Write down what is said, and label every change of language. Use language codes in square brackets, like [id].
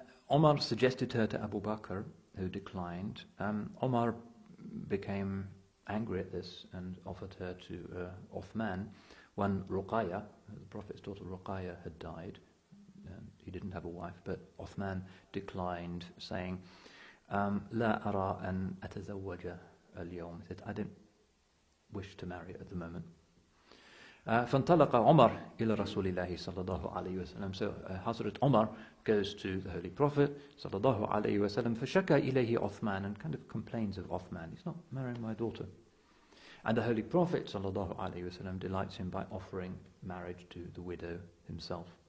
[en] Umar suggested her to Abu Bakr, who declined. Umar became angry at this and offered her to Uthman when Ruqayya, the Prophet's daughter Ruqayya, had died. He didn't have a wife, but Uthman declined, saying, [ar] "La ara an atazawwaja al-yawm." [en] He said, "I don't wish to marry at the moment." [ar] فانطلق عمر إلى رسول الله صلى الله عليه وسلم. [en] So Hazrat Umar goes to the Holy Prophet صلى الله عليه وسلم. [ar] فشكى إليه عثمان, [en] and kind of complains of Uthman. He's not marrying my daughter. And the Holy Prophet صلى الله عليه وسلم delights him by offering marriage to the widow himself.